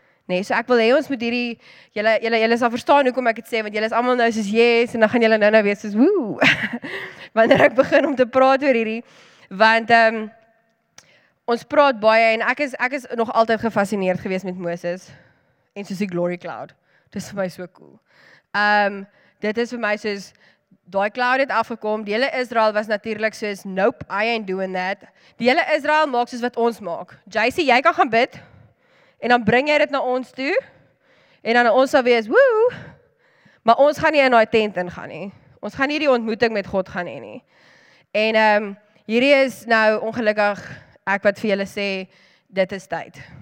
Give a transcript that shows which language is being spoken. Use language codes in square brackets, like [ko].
[af] Nee, so ek wil hê ons moet hierdie, julle sal verstaan hoekom ek het sê, want julle is allemaal nou soos yes, en dan gaan julle nou wees soos woe, wanneer ek begin om te praat oor hierdie, want ons praat baie, en ek is nog altyd gefascineerd gewees met Moses, en soos die Glory Cloud, dit is vir my so cool. Dit is vir my soos, daai cloud het afgekom. Die hele Israel was natuurlik soos, [en] nope, I ain't doing that. [af] Die hele Israel maak soos wat ons maak. JC, jy kan gaan bid, en dan bring jy dit na ons toe, en dan ons sal wees, woo, maar ons gaan nie in die tent ingaan nie. Ons gaan nie die ontmoeting met God gaan nie. En hierdie is nou ongelukkig, ek wat vir julle sê, dit is tyd.